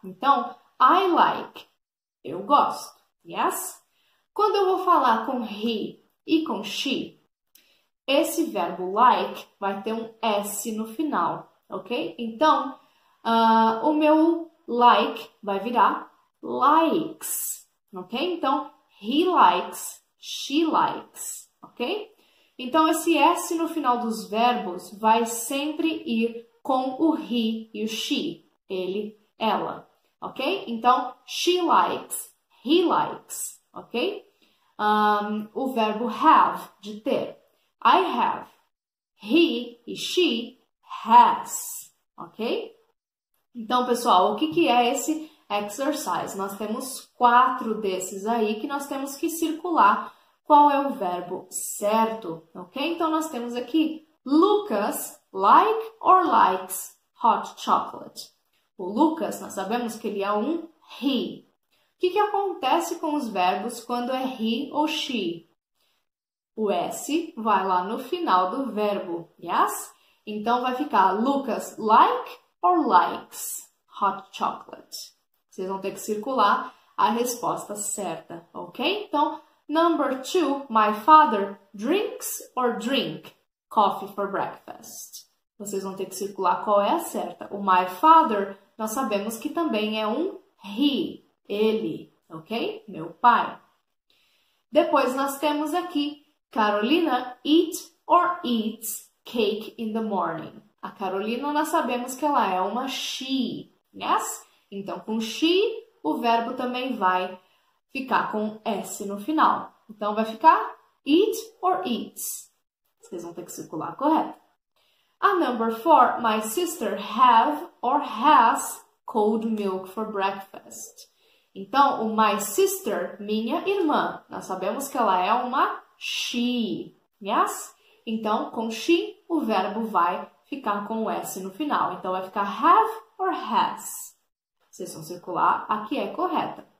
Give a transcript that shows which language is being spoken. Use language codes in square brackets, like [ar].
[pt] Então, [en] I like, [pt] eu gosto, yes? Quando eu vou falar com he e com she, esse verbo like vai ter um S no final, ok? Então, o meu like vai virar likes, ok? [en] Então, he likes, she likes, ok? [pt] Então, esse S no final dos verbos vai sempre ir com o he e o she, ele, ela, ok? [en] Então, she likes, he likes, ok? [pt] O verbo have, de ter. [en] I have, [pt] he e she has, ok? Então, pessoal, o que é esse exercise? Nós temos 4 desses aí que nós temos que circular qual é o verbo certo, ok? [en] Então, [pt] nós temos aqui [en] Lucas like or likes hot chocolate. [pt] O Lucas, nós sabemos que ele é um he. O que acontece com os verbos quando é he ou she? O S vai lá no final do verbo, yes? [en] Então, [pt] vai ficar [en] Lucas like or likes hot chocolate. [pt] Vocês vão ter que circular a resposta certa, ok? [en] Então, number 2, my father drinks or drink coffee for breakfast. [pt] Vocês vão ter que circular qual é a certa. O my father, nós sabemos que também é um he, ele, ok? Meu pai. Depois nós temos aqui, [en] Carolina eat or eats cake in the morning. [pt] A Carolina, nós sabemos que ela é uma she, yes? Então, com she, o verbo também vai ficar com S no final. Então, vai ficar [en] eat or eats. [pt] Vocês vão ter que circular correto. [en] A number 4, my sister have or has cold milk for breakfast. [pt] Então, o my sister, minha irmã, nós sabemos que ela é uma she, yes? Então, com she, o verbo vai ficar com o S no final. Então, vai ficar [en] have or has. [pt] Vocês vão circular a que é correta.